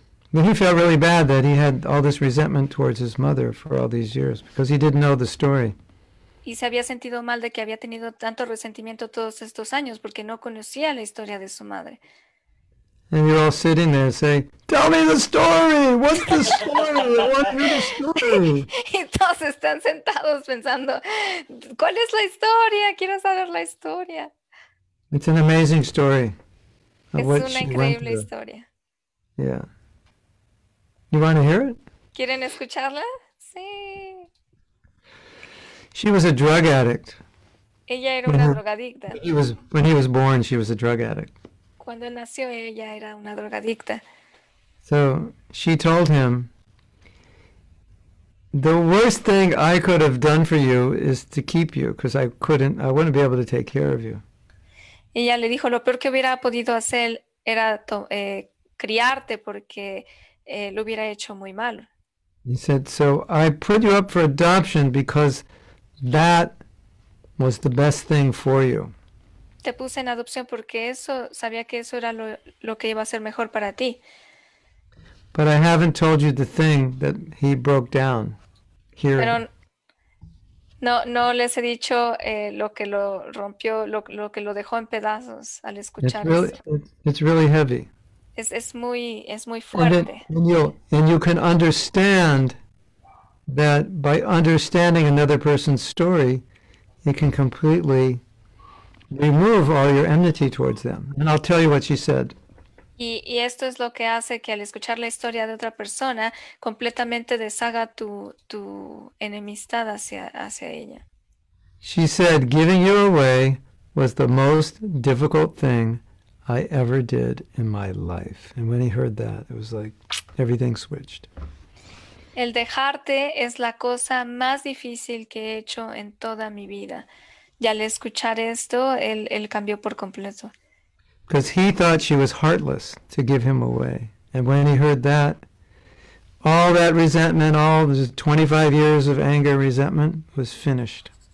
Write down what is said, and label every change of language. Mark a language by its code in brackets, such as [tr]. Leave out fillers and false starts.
[en] But he felt really bad that he had all this resentment towards his mother for all these years because he didn't know the story. [es] Y se había sentido mal de que había tenido tanto resentimiento todos estos años porque no conocía la historia de su madre. [en] And you're all sitting there saying, "Tell me the story. What's the story? What's the story?" [es] Y todos están sentados pensando, ¿cuál es la historia? Quiero saber la historia. [en] It's an amazing story. [es] Es una increíble historia. [en] Yeah. You want to hear it? [es] ¿Quieren escucharla? Sí. [en] She was a drug addict. [es] Ella era una drogadicta. [en] When he was born, she was a drug addict. [es] Cuando nació, ella era una drogadicta. [en] So she told him, "The worst thing I could have done for you is to keep you, because I wouldn't be able to take care of you." [es] Ella le dijo, lo peor que hubiera podido hacer era criarte porque lo hubiera hecho muy mal. [en] He said, "So I put you up for adoption because that was the best thing for you." [es] Te puse en adopción porque eso sabía que eso era lo que iba a ser mejor para ti. [en] But I haven't told you the thing that he broke down here. [es] Pero no les he dicho lo que lo rompió, lo que lo dejó en pedazos al escuchar. [en] It's really heavy. [es] Es muy fuerte. [en] And you can understand that by understanding another person's story, it can completely remove all your enmity towards them. And I'll tell you what she said. [es] Y esto es lo que hace que al escuchar la historia de otra persona, completamente deshaga tu enemistad hacia ella. [en] She said, "Giving you away was the most difficult thing I ever did in my life." And when he heard that, it was like everything switched. [es] El dejarte es la cosa más difícil que he hecho en toda mi vida. Y al escuchar esto, él cambió por completo. [en] Because he thought she was heartless to give him away. And when he heard that, all that resentment, all the 25 years of anger, resentment, was finished.